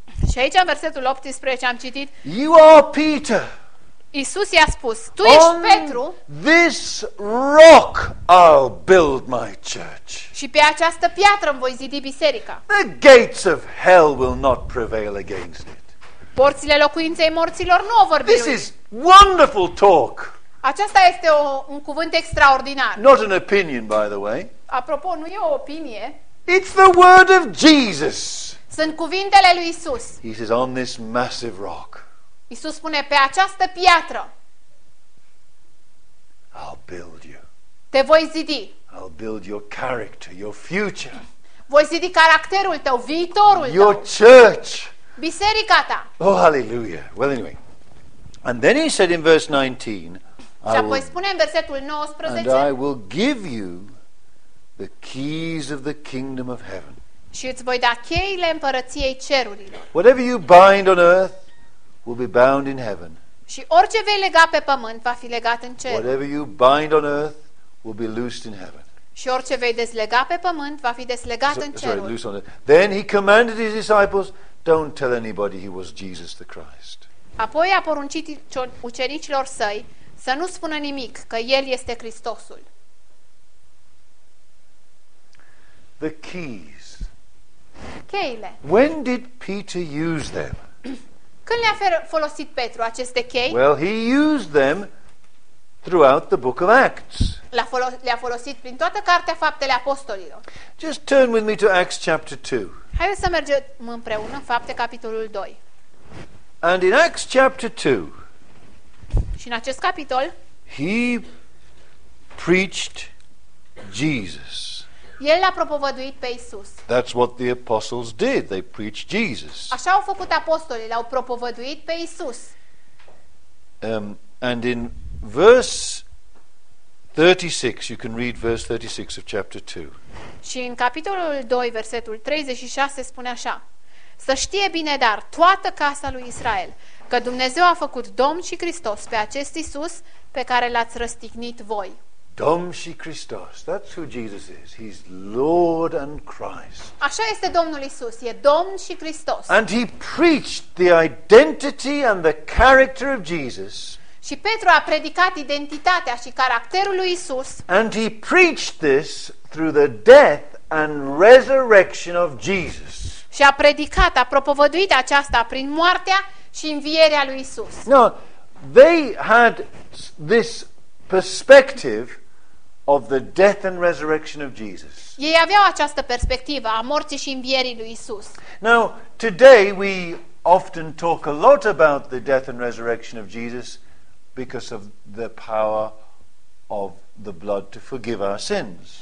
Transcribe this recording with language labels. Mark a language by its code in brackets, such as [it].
[ro] Și aici în versetul 18 am citit: [en] You are Peter. [ro] Iisus i-a spus: Tu ești Petru. [en] This rock I'll build my church. [ro] Și pe această piatră îmi voi zidi biserica. [en] The gates of hell will not prevail against it. [ro] Porțile locuinței morților nu o vor biruie. [en] This is wonderful talk. [ro] Aceasta este un cuvânt extraordinar. [en] Not an opinion, by the way. [ro] Apropo, nu e o opinie. [en] It's the word of Jesus. [ro] Sunt cuvintele lui Iisus. [en] He says, on this massive rock. [ro] Iisus spune, pe această piatră. [en] I'll build you. [ro] Te voi zidi. [en] I'll build your character, your future. [ro] Voi zidi caracterul tău, viitorul tău. [en] Your church. [ro] Biserica ta. [en] Oh, hallelujah. Well, anyway. And then he said in verse 19, [ro] și apoi spune în versetul 19, [en] and I will give you the keys of the kingdom of heaven. [ro] Și îți voi da cheile împărăției cerurilor. [en] Whatever you bind on earth will be bound in heaven. [ro] Și orice vei lega pe pământ va fi legat în cer. [en] Whatever you bind on earth will be loosed in heaven. [ro] Și orice vei deslega pe pământ va fi deslegat în ceruri. [en] Loose on earth. Then he commanded his disciples, don't tell anybody he was Jesus the Christ. [ro] Apoi a poruncit ucenicilor săi să nu spună nimic că el este Hristosul. [en] The keys. [ro] Cheile. [en] When did Peter use them? [ro] Când le-a folosit Petru aceste chei? [en] Well, he used them throughout the book of Acts. [ro] Le-a folosit prin toată cartea Faptele Apostolilor. [en] Just turn with me to Acts chapter 2. [ro] Haideți să mergem împreună în Fapte capitolul 2. [en] And in Acts chapter 2. [ro] Și în acest capitol, [en] he preached Jesus. [ro] El a propovăduit pe Iisus. [en] That's what the apostles did. They preached Jesus. [ro] Așa au făcut apostolii, l-au propovăduit pe Iisus. [en] And in verse 36, you can read verse 36 of chapter 2. [ro] Și în capitolul 2, versetul 36 spune așa: Să știe bine dar toată casa lui Israel că Dumnezeu a făcut Domn și Hristos pe acest Iisus pe care l-ați răstignit voi. Domn și Hristos, [en] that's who Jesus is. He's Lord and Christ. [ro] Așa este Domnul Iisus, e Domn și Hristos. [en] And he preached the identity and the character of Jesus. [ro] Și Petru a predicat identitatea și caracterul lui Iisus. [en] And he preached this through the death and resurrection of Jesus. [ro] Și a predicat, a propovăduit aceasta prin moartea și învierea lui Iisus. [en] Now, they had this perspective of the death and resurrection of Jesus. [ro] Ei aveau această perspectivă a morții și învierii lui Iisus. [en] Now, today we often talk a lot about the death and resurrection of Jesus because of the power of the blood to forgive our sins.